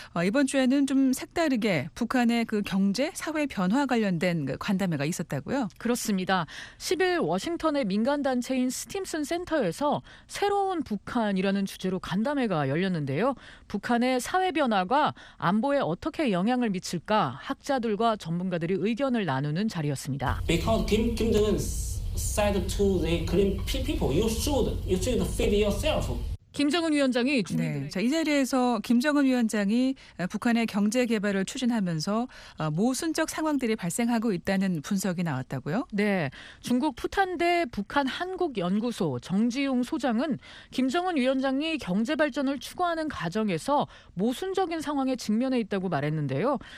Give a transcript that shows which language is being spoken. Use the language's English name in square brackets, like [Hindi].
[Korean] 이번 주에는 좀 색다르게 북한의 그 경제, 사회 변화 관련된 그 간담회가 있었다고요? 그렇습니다. 10일 워싱턴의 민간단체인 스팀슨 센터에서 새로운 북한이라는 주제로 간담회가 열렸는데요. 북한의 사회 변화가 안보에 어떻게 영향을 미칠까 학자들과 전문가들이 의견을 나누는 자리였습니다. [English] 김정은 said to the Korean people, you should feed yourself. [Korean] 김정은 위원장이 네, 자, 이 자리에서 김정은 위원장이 북한의 경제 개발을 추진하면서 모순적 상황들이 발생하고 있다는 분석이 나왔다고요? 네, 중국 푸탄대 북한한국연구소 정지용 소장은 김정은 위원장이 경제 발전을 추구하는 과정에서 모순적인 상황에 직면해 있다고 말했는데요.